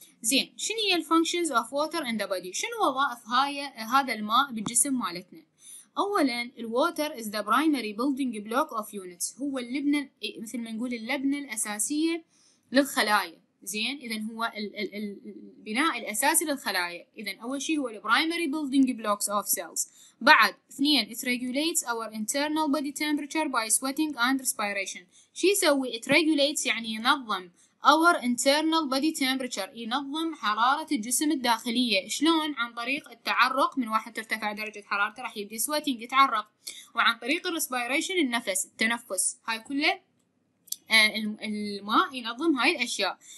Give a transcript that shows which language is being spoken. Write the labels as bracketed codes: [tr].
[ar] زين، شنو هي [en] functions of water in the body؟ [ar] شنو وظائف هاي هذا الماء بالجسم مالتنا؟ أولاً ال [en] water is the primary building block of units، [ar] هو اللبنة مثل ما نقول اللبنة الأساسية للخلايا. زين، إذن هو البناء الأساسي للخلايا. إذن أول شيء هو [en] the primary building blocks of cells. [ar] بعد اثنين [en] it regulates our internal body temperature by sweating and respiration. [ar] شي يسوي [en] it regulates [ar] يعني ينظم [en] our internal body temperature، [ar] ينظم حرارة الجسم الداخلية. شلون؟ عن طريق التعرق، من واحد ترتفع درجة حرارته راح يبدي sweating يتعرق، وعن طريق respiration النفس التنفس. هاي كله الماء ينظم هاي الأشياء.